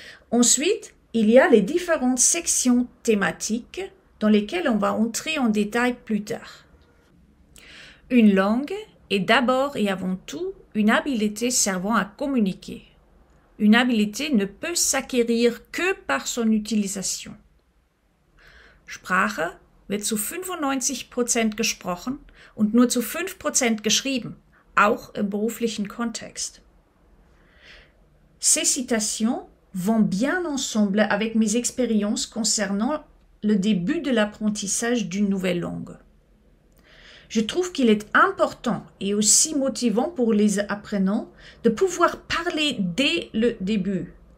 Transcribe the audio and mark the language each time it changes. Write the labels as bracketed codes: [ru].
[fr] Ensuite, il y a les différentes sections thématiques dans lesquelles on va entrer en détail plus tard. Une langue est d'abord et avant tout une habileté servant à communiquer. Une habileté ne peut s'acquérir que par son utilisation. [de] Sprache wird zu 95% gesprochen und nur zu 5% geschrieben. Auch im beruflichen Kontext. [fr] Ces citations vont bien ensemble avec mes expériences concernant le début de l'apprentissage d'une nouvelle langue. Je trouve qu'il est important et aussi motivant pour les apprenants de pouvoir parler dès le début.